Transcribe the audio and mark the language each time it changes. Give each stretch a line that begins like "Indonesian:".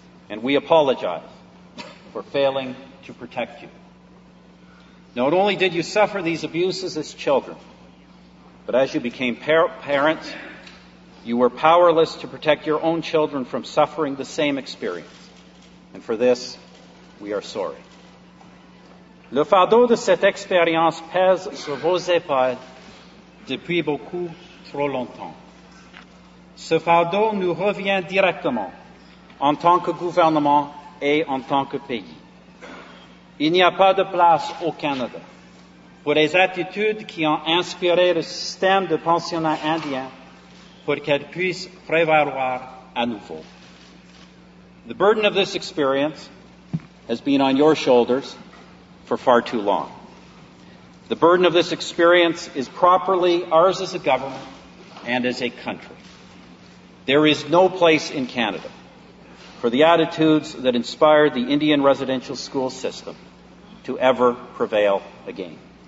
English: And we apologize for failing to protect you. Not only did you suffer these abuses as children, but as you became parents, you were powerless to protect your own children from suffering the same experience. And for this, we are sorry.
French: Le fardeau de cette expérience pèse sur vos épaules depuis beaucoup trop longtemps. Ce fardeau nous revient directement en tant que gouvernement et en tant que pays. Il n'y a pas de place au Canada pour les attitudes qui ont inspiré le système de pensionnat indien pour qu'elles puissent prévaloir à nouveau.
English: The burden of this experience has been on your shoulders for far too long. The burden of this experience is properly ours as a government and as a country. There is no place in Canada for the attitudes that inspired the Indian residential school system to ever prevail again.